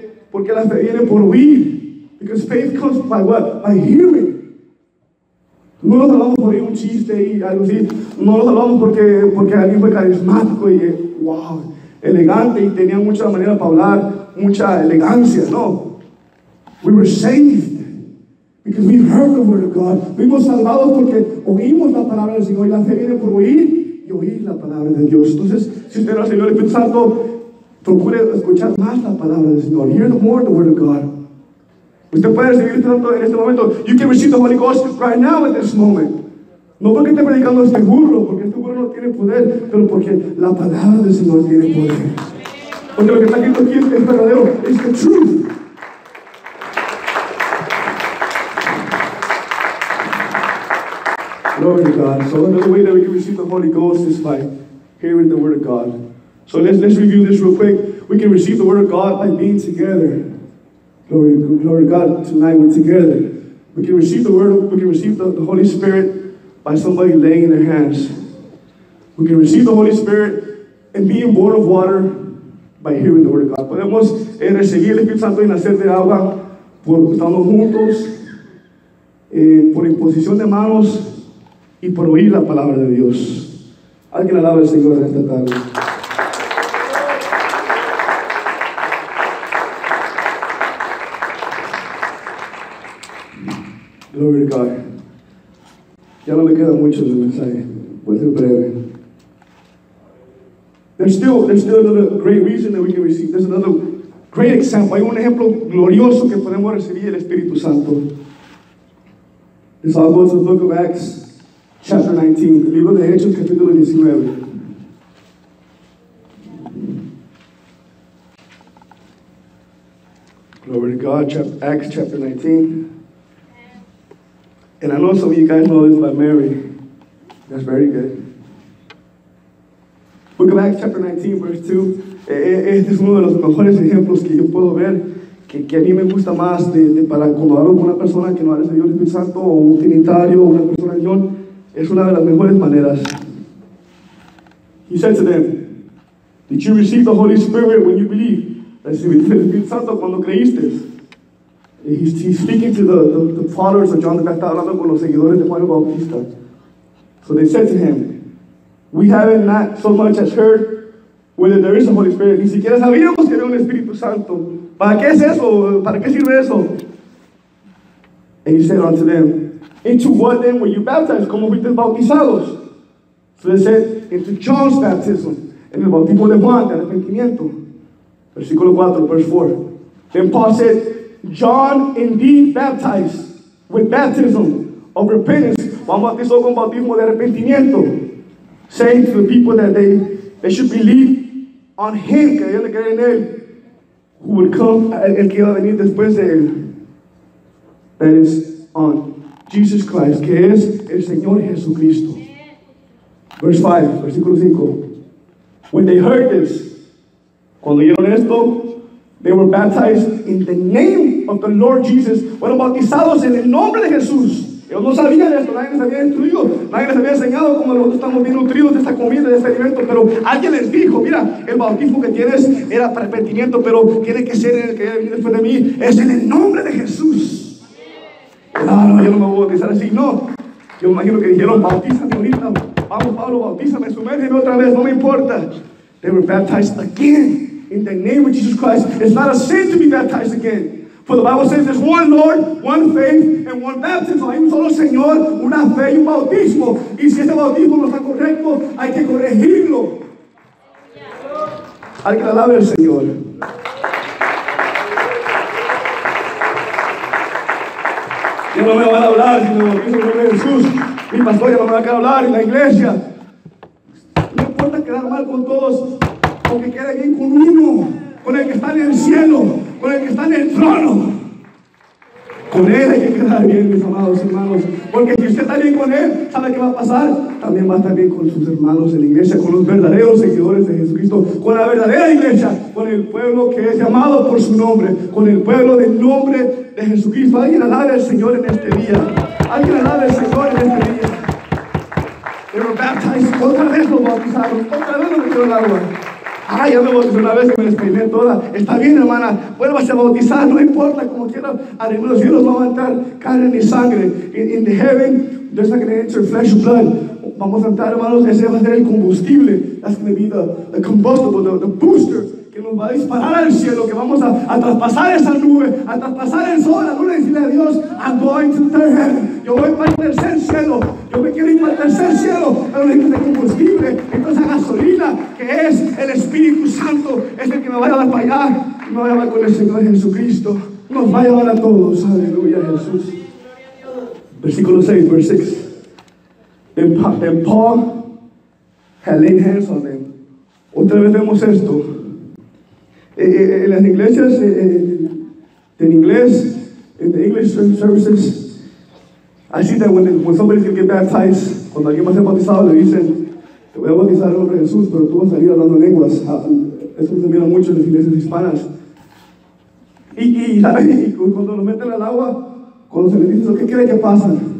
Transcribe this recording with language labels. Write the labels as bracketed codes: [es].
[es] Porque la fe viene por oír. [en] Because faith comes by what? By hearing. [es] No nos hablamos por un chiste y algo así. No nos hablamos porque alguien fue carismático y wow, elegante y tenía mucha manera para hablar, mucha elegancia. No. [en] We were saved because we heard the word of God. [es] Fuimos salvados porque oímos la palabra del Señor y la fe viene por oír. Y oír la palabra de Dios. Entonces, si usted no ha sido el Espíritu Santo, procure escuchar más la palabra del Señor. [en] Hear more the word of God. [es] Usted puede recibir el Santo en este momento. [en] You can receive the Holy Ghost right now at this moment. [es] No porque esté predicando este burro, porque este burro no tiene poder, pero porque la palabra del Señor tiene poder. Porque lo que está escrito aquí es verdadero. [en] It's the truth. Glory to God. So another way that we can receive the Holy Ghost is by hearing the Word of God. So let's review this real quick. We can receive the Word of God by being together. Glory to God. Tonight we're together. We can receive the Word. We can receive the Holy Spirit by somebody laying in their hands. We can receive the Holy Spirit and being born of water by hearing the Word of God. [es] Podemos recibir el Espíritu Santo y nacer de agua por estando juntos, por imposición de manos. Y por oír la palabra de Dios. Alguien alaba al Señor esta tarde. [en] Glory to God. [es] Ya no me queda mucho de mensaje. Voy a ser breve. [en] There's still another great reason that we can receive. There's another great example. [es] Hay un ejemplo glorioso que podemos recibir el Espíritu Santo. [en] It's all going to the book of Acts, chapter 19. [es] El libro de Hechos, capítulo 19. [en] Glory to God, Acts chapter 19. And I know some of you guys know this by Mary. That's very good. Book of Acts chapter 19, verse 2. [es] Este es uno de los mejores ejemplos que yo puedo ver, que a mí me gusta más de para cuando hablo con una persona que no ha recibido el Espíritu Santo, o un trinitario, o una persona de Dios, es una de las mejores maneras. [en] He said to them, did you receive the Holy Spirit when you believed? [es] Recibiste el Espíritu Santo cuando creíste. [en] He's speaking to the followers of John the Baptist, [es] hablando con los seguidores de Juan el Bautista. [en] So they said to him, we haven't not so much as heard whether there is a Holy Spirit. [es] Ni siquiera sabíamos que era un Espíritu Santo. ¿Para qué es eso? ¿Para qué sirve eso? [en] And he said unto them, into what then were you baptized? [es] ¿Cómo fuiste bautizados? [en] So they said, into John's baptism. [es] En el bautismo de Juan, de arrepentimiento. Versículo 4, [en] verse 4. Then Paul said, John indeed baptized with baptism of repentance. [es] Juan bautizó con bautismo de arrepentimiento. [en] Saying to the people that they should believe on him, [es] que ellos le creen en él, [en] who would come, [es] el que iba a venir después de él. [en] That is on Jesus Christ, [es] que es el Señor Jesucristo. [en] Verse 5, [es] versículo 5. [en] When they heard this, [es] cuando oyeron esto, [en] they were baptized in the name of the Lord Jesus. [es] Fueron bautizados en el nombre de Jesús. Ellos no sabían esto, nadie les había instruido, nadie les había enseñado cómo nosotros estamos bien nutridos de esta comida, de este alimento, pero alguien les dijo, mira, el bautismo que tienes era para arrepentimiento, pero tiene que ser en el que viene después de mí, es en el nombre de Jesús. Claro, yo no me voy a bautizar así, no. Yo me imagino que dijeron, bautízame ahorita, vamos Pablo, bautízame, sumérgeme otra vez, no me importa. [en] They were baptized again in the name of Jesus Christ. It's not a sin to be baptized again. For the Bible says there's one Lord, one faith, and one baptism. [es] Hay un solo Señor, una fe y un bautismo. Y si ese bautismo no está correcto, hay que corregirlo. Yeah. Al que alabe el Señor. Yo no me voy a hablar, sino el bautismo en el nombre de Jesús. Mi pastor ya no me va a quedar hablar en la iglesia. No importa quedar mal con todos, porque quede bien con uno, con el que está en el cielo, con el que está en el trono. Con él hay que quedar bien, mis amados hermanos. Porque si usted está bien con él, ¿sabe qué va a pasar? También va a estar bien con sus hermanos en la iglesia, con los verdaderos seguidores de Jesucristo, con la verdadera iglesia, con el pueblo que es llamado por su nombre, con el pueblo del nombre de Jesucristo. Alguien alabe al Señor en este día. Alguien alabe al Señor en este día. [en] They were baptized. [es] Otra vez lo bautizaron. Otra vez lo metieron al agua. Ay, ya me bauticé una vez y me despeiné toda. Está bien, hermana, vuélvase a bautizar, no importa, como quiera. Aleluya, los cielos va a entrar carne ni sangre. [en] In the heaven, there's not going to enter flesh and blood. [es] Vamos a entrar, hermanos, ese va a ser el combustible. [en] That's going to be the combustible, the booster. [es] Que nos va a disparar al cielo, que vamos a traspasar esa nube, a traspasar el sol, la luna y decirle a Dios, [en] I'm going to the heaven. [es] Yo voy para el tercer cielo. Yo me quiero ir para el tercer cielo. Pero necesito combustible. Entonces gasolina, que es el Espíritu Santo, es el que me va a llevar para allá. Y me va a llevar con el Señor Jesucristo. Nos va a llevar a todos. Aleluya, Jesús. Versículo 6, [en] verse 6. Then Paul had laid hands on them. [es] Otra vez vemos esto. En las iglesias, en inglés, en [en] the English services, I see that when somebody can get baptized, [es] cuando alguien va a ser bautizado, le dicen, te voy a bautizar en nombre de Jesús, pero tú vas a salir hablando lenguas. Eso se mira mucho en las iglesias hispanas. Y cuando lo meten al agua, cuando se les dice, ¿qué quiere que pasa?